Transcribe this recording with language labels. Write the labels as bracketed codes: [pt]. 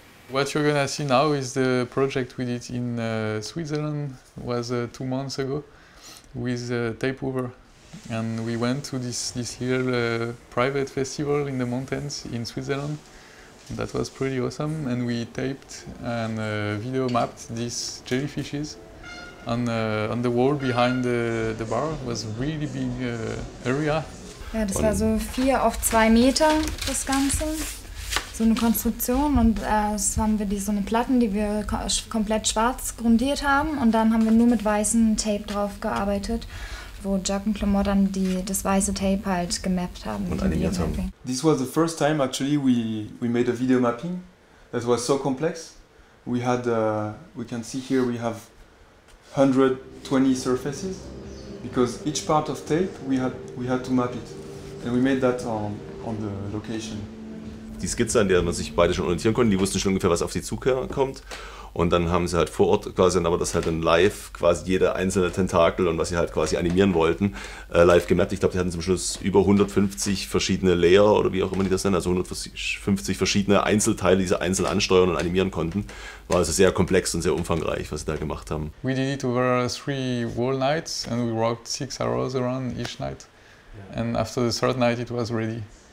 [en] What you're gonna see now is the project we did in Switzerland was 2 months ago with Tape Over, and we went to this little private festival in the mountains in Switzerland. That was pretty awesome, and we taped and video mapped these jellyfishes on the wall behind the bar. It was a really big area. [de] Ja, das war so 4 auf 2 Meter das Ganze. So eine Konstruktion, und das haben wir die, so eine Platten, die wir komplett schwarz grundiert haben, und dann haben wir nur mit weißem Tape drauf gearbeitet, wo Jack und Clement dann das weiße Tape halt gemappt haben. Und animiert haben. [en] This was the first time actually we made a video mapping that was so complex. We had, we can see here we have 120 surfaces, because each part of tape we had to map it. And we made that on the location. [de] Die Skizze, an der man sich beide schon orientieren konnte, die wussten schon ungefähr, was auf sie zukommt. Und dann haben sie halt vor Ort quasi dann aber das halt dann live, quasi jeder einzelne Tentakel und was sie halt quasi animieren wollten, live gemappt. Ich glaube, die hatten zum Schluss über 150 verschiedene Layer oder wie auch immer die das nennen, also 150 verschiedene Einzelteile, die sie einzeln ansteuern und animieren konnten. War also sehr komplex und sehr umfangreich, was sie da gemacht haben. [en] We did it over 3 whole nights and we worked 6 hours around each night. And after the 3rd night it was ready.